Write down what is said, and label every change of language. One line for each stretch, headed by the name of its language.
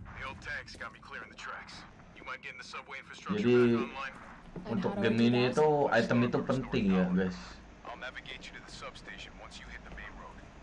English: The old tanks got me clearing the tracks. You might get in the subway infrastructure.
Indonesian: Jadi untuk game ini itu item itu penting ya, guys.
English: I'll navigate you to the substation once you hit the main road.